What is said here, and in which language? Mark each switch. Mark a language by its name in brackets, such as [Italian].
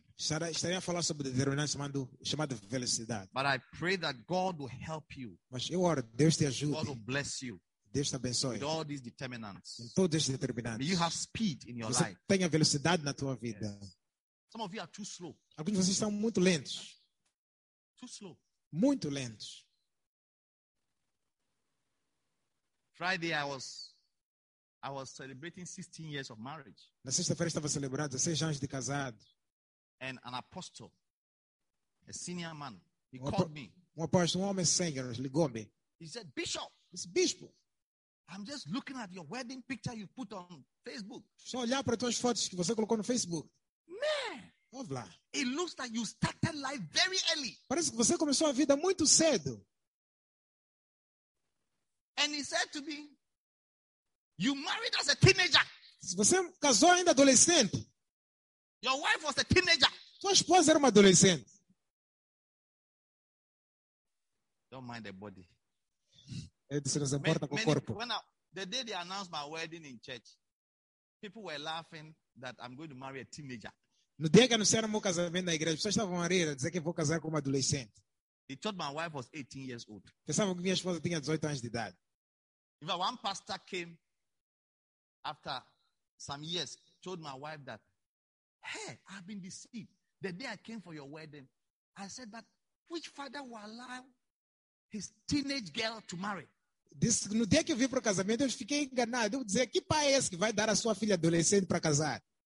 [Portuguese] Estarei a falar sobre o determinante chamado velocidade. [English] But I pray that God will help you. [Portuguese] Mas eu oro, Deus te ajude. [English] God will bless you. [Portuguese] Deus te abençoe. [English] With all these determinants. [Portuguese] Em todos esses determinantes. [English] You have speed in your [Portuguese] você [English] life. [Portuguese] Tenha velocidade na tua vida. [English] Yes. Some of you are too slow. [Portuguese] Alguns de vocês estão muito lentos. [English] Too slow. [Portuguese] Muito lentos. [English] Friday I was celebrating 16 years of marriage. [Portuguese] Na sexta-feira estava celebrando 16 anos de casado. [English] And an apostle, a senior man, he called me. [Portuguese] Um apóstolo, um homem sênior, ligou-me. [English] He said, Bishop. It's bispo. I'm just looking at your wedding picture you put on Facebook. [Portuguese] Só olhar para tuas fotos que você colocou no Facebook. [English] Man. [Portuguese] Ouve lá. [English] It looks like you started life very early. [Portuguese] Parece que você começou a vida muito cedo. [English] And he said to me, you married as a teenager. [Portuguese] Você casou ainda adolescente. [English] Your wife was a teenager. [Portuguese] Sua esposa era uma adolescente. [English] Don't mind the body. [Portuguese] Se não se importa com o corpo. [English] The day they announced my wedding in church, people were laughing that I'm going to marry a teenager. [Portuguese] No dia que anunciaram meu casamento na igreja, pessoas estavam a rir, a dizer que vou casar com uma adolescente. [English] He thought my wife was 18 years old. [Portuguese] Pensava que minha esposa tinha 18 anos de idade. [English] If one pastor came after some years, told my wife that, hey, I've been deceived. The day I came for your wedding, I said that which father will allow his teenage girl to marry? This, [Portuguese] no dia que eu vim para o casamento, eu fiquei enganado. Eu dizer, que pai é esse que vai dar a sua filha adolescente para casar?